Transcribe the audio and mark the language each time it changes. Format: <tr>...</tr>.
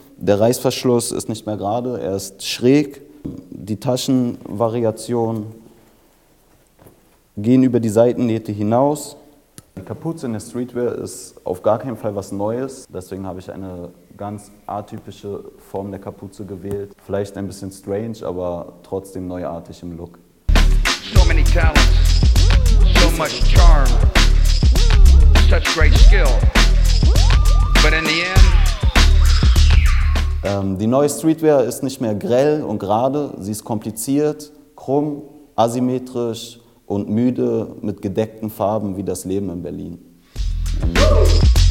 <de>Der Reißverschluss ist nicht mehr gerade, er ist schräg. Die Taschenvariationen gehen über die Seitennähte hinaus. Die Kapuze in der Streetwear ist auf gar keinen Fall was Neues. Deswegen habe ich eine ganz atypische Form der Kapuze gewählt. Vielleicht ein bisschen strange, aber trotzdem neuartig im Look.</de> <en>So many talents, so much charm, such great skill, but in the end.</en> <de>Die neue Streetwear ist nicht mehr grell und gerade, sie ist kompliziert, krumm, asymmetrisch und müde mit gedeckten Farben wie das Leben in Berlin.</de>